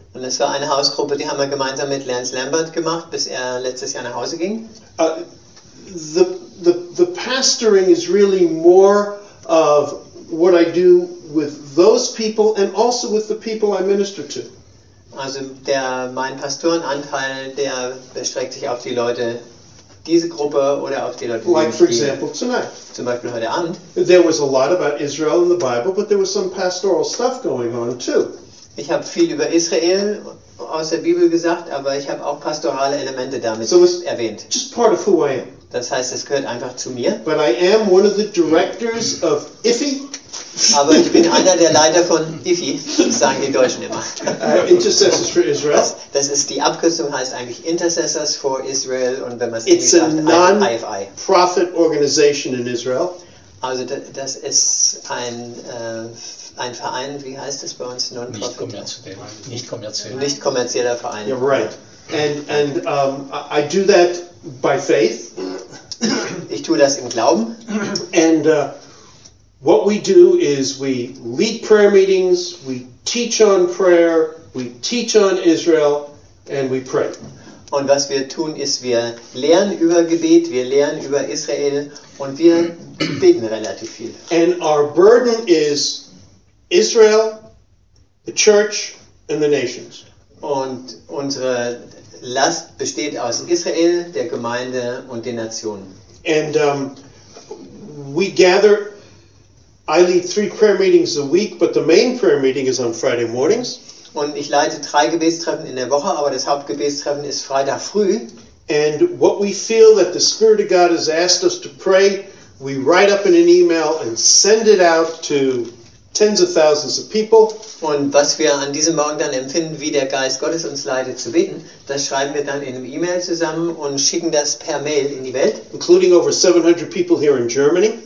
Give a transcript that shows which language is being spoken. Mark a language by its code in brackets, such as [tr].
[de] Und es war eine Hausgruppe, die haben wir gemeinsam mit Lance Lambert gemacht, bis er letztes Jahr nach Hause ging. [en] The pastoring is really more of what I do with those people and also with the people I minister to. [de] Also der mein Pastorenanteil, der bestreckt sich auf die Leute, diese Gruppe oder auf die Leute, die [en] like for example tonight. [de] Zum Beispiel heute Abend. [en] There was a lot about Israel in the Bible, but there was some pastoral stuff going on too. [de] Ich habe viel über Israel aus der Bibel gesagt, aber ich habe auch pastorale Elemente damit erwähnt. [en] Just part of who I am. [de] Das heißt, es gehört einfach zu mir. [en] But I am one of the directors of IFI. [de] Aber ich bin einer der Leiter von IFI, sagen die Deutschen immer. [en] Intercessors for Israel. [de] Das ist die Abkürzung, heißt eigentlich Intercessors for Israel, und wenn man es nicht sagt, IFI. [en] Profit organization in Israel. [de] Also das ist ein Verein, wie heißt das bei uns? Nicht kommerzieller Verein. [en] Yeah, right. And I do that by faith. [de] Ich tue das im Glauben. [en] And what we do is we lead prayer meetings, we teach on prayer, we teach on Israel, and we pray. [de] Und was wir tun ist, wir lehren über Gebet, wir lehren über Israel, und wir beten relativ viel. [en] And our burden is Israel, the church, and the nations. [de] Und unsere Last besteht aus Israel, der Gemeinde und den Nationen. [en] And we gather. I lead three prayer meetings a week, but the main prayer meeting is on Friday mornings. [de] Und ich leite drei Gebetstreffen in der Woche, aber das Hauptgebetstreffen ist Freitag früh. [en] And what we feel that the Spirit of God has asked us to pray, we write up in an email and send it out to tens of thousands of people. [de] Und was wir an diesem Morgen dann empfinden, wie der Geist Gottes uns leitet zu beten, das schreiben wir dann in einem E-Mail zusammen und schicken das per Mail in die Welt. [en] Including over 700 people here in Germany.